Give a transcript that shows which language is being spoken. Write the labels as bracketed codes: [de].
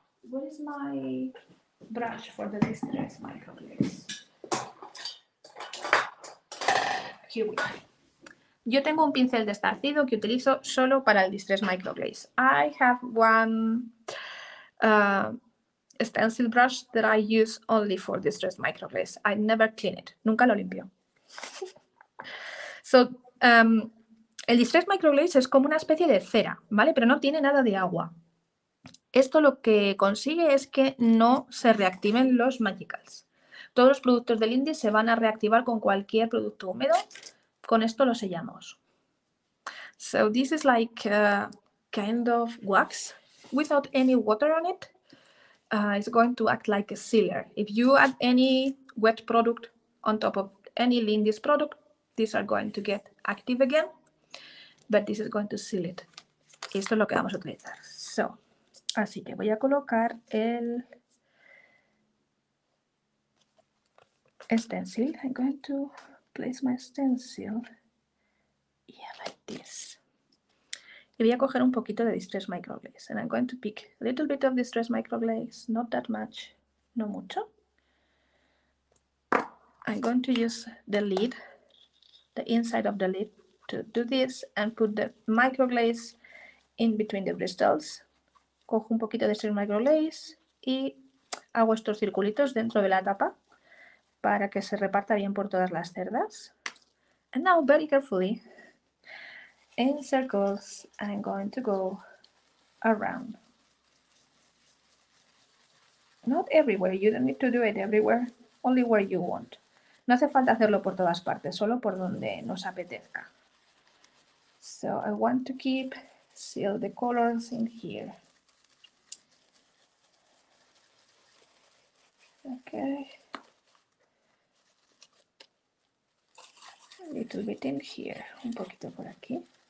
[en] What is my brush for the distress microglaze? [es] Here we go. Yo tengo un pincel de esparcido que utilizo solo para el distress microglaze. [en] I have one stencil brush that I use only for distress microglaze. I never clean it. [es] Nunca lo limpio. So, el distress microglaze es como una especie de cera, ¿vale? Pero no tiene nada de agua. Esto lo que consigue es que no se reactiven los magicals. Todos los productos del Indy se van a reactivar con cualquier producto húmedo. Con esto lo sellamos. [en] So this is like a kind of wax without any water on it. It's going to act like a sealer. If you add any wet product on top of any Lindy's product, these are going to get active again, but this is going to seal it. [es] Esto es lo que vamos a utilizar. So, así que voy a colocar el stencil. [en] I'm going to place my stencil here like this. [es] Y voy a coger un poquito de distress microglaze. [en] And I'm going to pick a little bit of distress microglaze, not that much, [es] no mucho. [en] I'm going to use the lid, the inside of the lid, to do this and put the microglaze in between the crystals. [es] Cojo un poquito de distress microglaze y hago estos circulitos dentro de la tapa para que se reparta bien por todas las cerdas. [en] And now, very carefully, in circles, I'm going to go around. Not everywhere, you don't need to do it everywhere, only where you want. [es] No hace falta hacerlo por todas partes, solo por donde nos apetezca. [en] So I want to keep seal the colors in here. Okay. A little bit in here, [es] un poquito por aquí.